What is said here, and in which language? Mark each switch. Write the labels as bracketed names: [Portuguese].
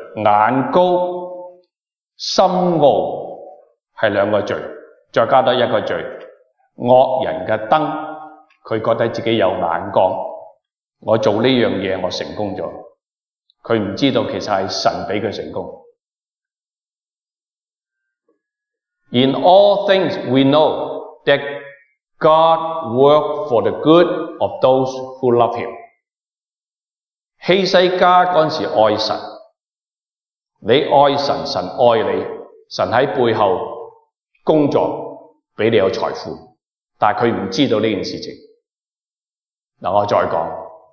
[Chinese] 眼高心傲系两个罪，再加多一个罪。恶人的灯，他觉得自己有眼光，我做这件事我成功了，他不知道其实是神给他成功。 [English] In all things we know that God works for the good of those who love him。 [Chinese] 希西家那时候爱神，你爱神，神爱你，神在背后工作给你有财富，但他不知道这件事情。那我再讲。